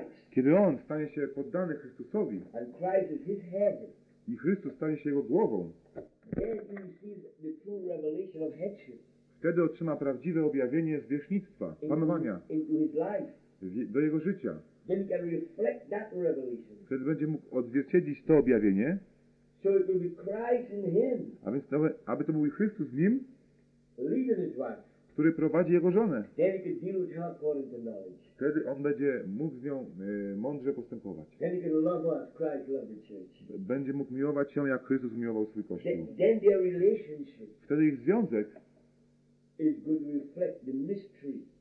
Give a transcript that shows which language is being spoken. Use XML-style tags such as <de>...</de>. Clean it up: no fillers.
<pl>Kiedy on stanie się poddany Chrystusowi</pl> <en>and Christ is his head,</en> <pl>i Chrystus stanie się jego głową,</pl> <en>the true revelation of headship,</en> <pl>wtedy otrzyma prawdziwe objawienie zwierzchnictwa, panowania</pl> <en>into his life.</en> <pl>Do jego życia.</pl> <en>Then he can reflect that revelation.</en> <pl>Wtedy będzie mógł odzwierciedlić to objawienie,</pl> <en>so it will be Christ in him.</en> <pl>A więc aby to był Chrystus w nim,</pl> <en>leading his wife,</en> <pl>który prowadzi jego żonę.</pl> <en>Then he can deal with her according to knowledge.</en> <pl>Wtedy on będzie mógł z nią mądrze postępować.</pl> <en>Then he can love her as Christ loved the church.</en> <pl>Będzie mógł miłować ją, jak Chrystus miłował swój Kościół.</pl> <en>Then their relationship,</en> <pl>wtedy ich związek,</pl> <en>is going to reflect the mystery,</en>